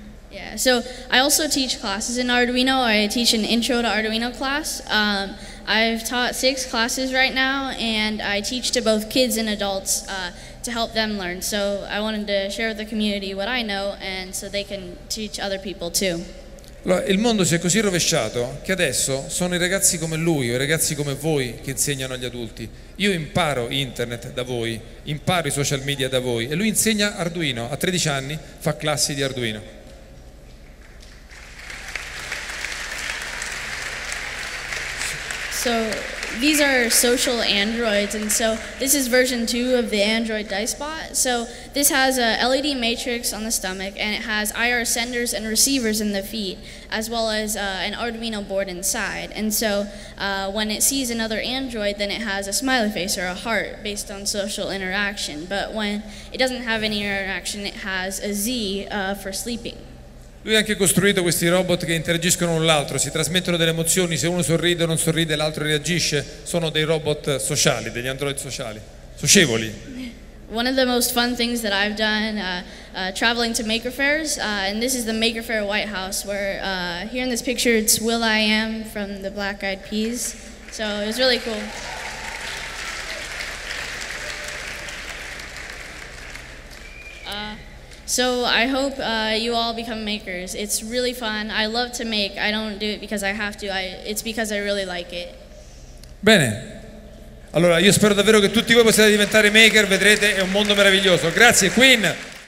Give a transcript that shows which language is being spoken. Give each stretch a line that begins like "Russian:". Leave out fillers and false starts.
English: Yeah, so I also teach classes in Arduino. I teach an intro to Arduino class. I've taught 6 classes right now, and I teach to both kids and adults to help them learn. So I wanted to share with the community what I know, and so they can teach other people too.
Italian: Allora, il mondo si è così rovesciato che adesso sono i ragazzi come lui o i ragazzi come voi che insegnano agli adulti. Io imparo internet da voi, imparo i social media da voi, e lui insegna Arduino, a 13 anni fa classi di Arduino.
English: So these are social androids, and so this is version 2 of the Android Dicebot. So this has a LED matrix on the stomach, and it has IR senders and receivers in the feet, as well as an Arduino board inside. And so when it sees another android, then it has a smiley face or a heart based on social interaction. But when it doesn't have any interaction, it has a Z for sleeping.
Italian: Lui ha anche costruito questi robot che interagiscono l'un l'altro, si trasmettono delle emozioni, se uno sorride o non sorride l'altro reagisce. Sono dei robot sociali, degli android sociali, socievoli.
English: One of the most fun things that I've done traveling to maker fairs, and this is the Maker Faire White House, where here in this picture it's Will I Am from the Black Eyed Peas. So it was really cool. So I hope you all become makers. It's really fun. I love to make. I don't do it because I have to. It's because I really like it.
Italian: Bene. Allora, io spero davvero che tutti voi possiate diventare maker. Vedrete, è un mondo meraviglioso. Grazie, Queen.